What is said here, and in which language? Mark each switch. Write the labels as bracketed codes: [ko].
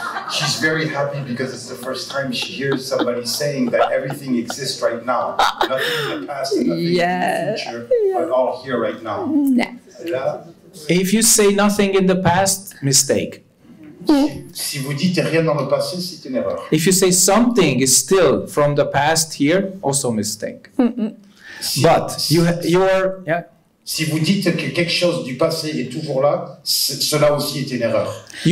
[en] She's very happy because it's the first time she hears somebody saying that everything exists right now. Nothing in the past, nothing in the future, but all here right now. Yeah. If you say nothing in the past, mistake. [fr] Si vous dites rien dans le passé, c'est une erreur. [en] If you say something is still from the past here, also mistake. But you are... Yeah. [fr] Si vous dites que quelque chose du passé est toujours là, cela aussi est une erreur.